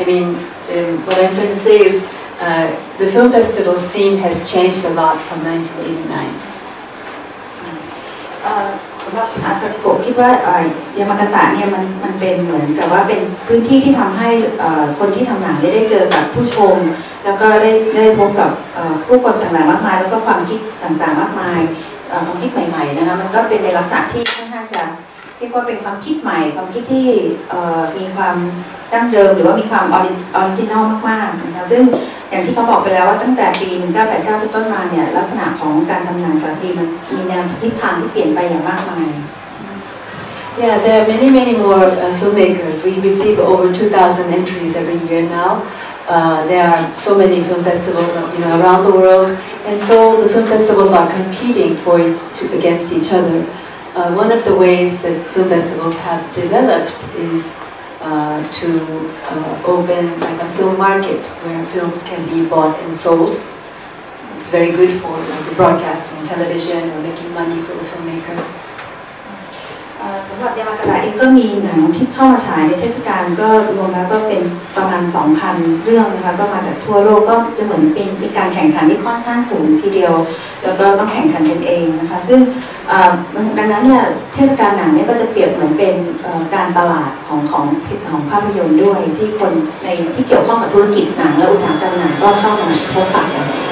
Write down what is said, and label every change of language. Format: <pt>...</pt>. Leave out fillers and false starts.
<en>I mean, what I'm trying to say is the film festival scene has changed a lot from 1989.</en> <th>ว่าอาสกบคิดว่ายามากาตะเนี่ยมันเป็นเหมือนกับว่าเป็นพื้นที่ที่ทำให้คนที่ทำหนังได้เจอกับผู้ชมแล้วก็ได้พบกับผู้คนต่างๆมากมายแล้วก็ความคิดต่างๆมากมายความคิดใหม่ๆนะคะมันก็เป็นในลักษณะที่ค่อนข้างจะเรียกว่าเป็นความคิดใหม่ความคิดที่ มีความดั้งเดิมหรือว่ามีความออริจินอลมากๆนะคะซึ่งอย่างที่เขาบอกไปแล้วว่าตั้งแต่ปี1989เป็นต้นมาเนี่ยลักษณะของการทำงานสารคดีมันมีแนวทิศทางที่เปลี่ยนไปอย่างมากมาย</th> <en>Yeah there are many many more filmmakers we receive over 2,000 entries every year now there are so many film festivals you know around the world and so the film festivals are competing against each other one of the ways that film festivals have developed isto open like a film market where films can be bought and sold. It's very good for like, broadcasting television or making money for the filmmaker.</en> <th>สำหรับยามากาตะเองก็มีหนังที่เข้ามาฉายในเทศกาลก็รวมแล้วก็เป็นประมาณ 2,000 เรื่องนะคะก็มาจากทั่วโลกก็จะเหมือนเป็นมีการแข่งขันที่ค่อนข้างสูงทีเดียวแล้วก็ต้องแข่งขันกันเองนะคะซึ่งดังนั้นเนี่ยเทศกาลหนังเนี่ยก็จะเปรียบเหมือนเป็นการตลาดของภาพยนตร์ด้วยที่คนในที่เกี่ยวข้องกับธุรกิจหนังและอุตสาหกรรมหนังก็เข้ามาพบปะกัน</th>